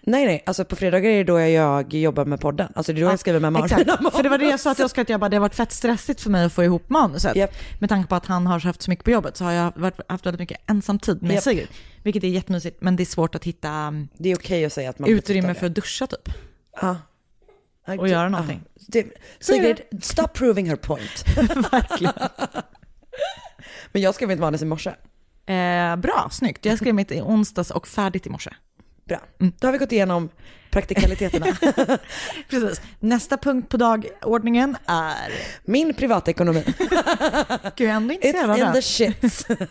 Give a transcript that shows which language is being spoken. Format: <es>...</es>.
<sv>Nej, alltså på fredagar är det då jag jobbar med podden. Alltså det är då jag skriver med Martin. Exakt, för det var det jag sa till Oskar, att jag bara, det har varit fett stressigt för mig att få ihop manuset.</sv> <en>Yep.</en> <sv>Med tanke på att han har haft så mycket på jobbet så har jag haft väldigt mycket ensam tid med sig. Vilket är jättemysigt, men det är svårt att hitta. Det är okej att säga att man utrymme för att duscha typ. Ja. Och göra någonting.</sv> <en>Sigrid, stop proving her point.</en> <sv>Verkligen. Men jag skrev mitt manus i morse. Bra, snyggt. Jag skrev mitt i onsdags och färdigt i morse. Bra. Då har vi gått igenom praktikaliteterna. Precis. Nästa punkt på dagordningen är min privatekonomi. Gud, jag är ändå intresserad av det.</sv> <en>It's in the shits.</en>